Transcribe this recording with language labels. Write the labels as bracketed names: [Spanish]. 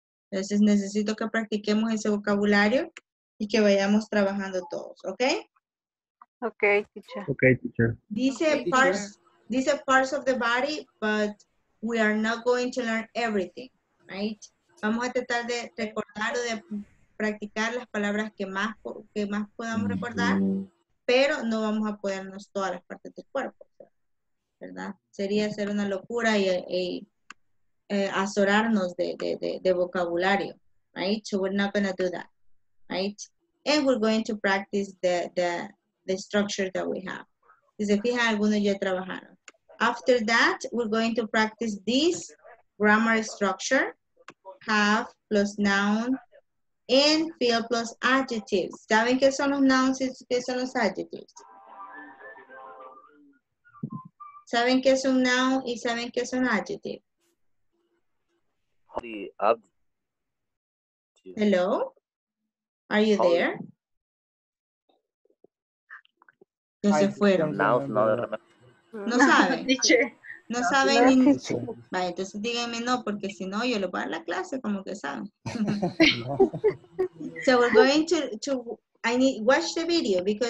[Spanish] Entonces necesito que practiquemos ese vocabulario y que vayamos trabajando todos, ¿ok? [English] Ok, teacher. Ok, teacher. Dice parts of the body, but we are not going to learn everything, right? [Spanish] Vamos a tratar de recordar o de practicar las palabras que más podamos recordar, pero no vamos a podernos todas las partes del cuerpo, ¿verdad? Sería hacer una locura y azorarnos de vocabulario, right? [English] So we're not going to do that, right? And we're going to practice the structure that we have. [Spanish] Si se fijan, algunos ya trabajaron. [English] After that, we're going to practice this grammar structure, have plus noun and feel plus adjectives. [Spanish] ¿Saben qué son los nouns y qué son los adjectives? ¿Saben qué es un noun y saben qué es un adjective? [English] Hello? Are you there? [Spanish] No se fueron. No saben. No saben. Vale, entonces díganme no, porque si no, yo lo voy a la clase, como que saben. [English] So we're going to watch the video because.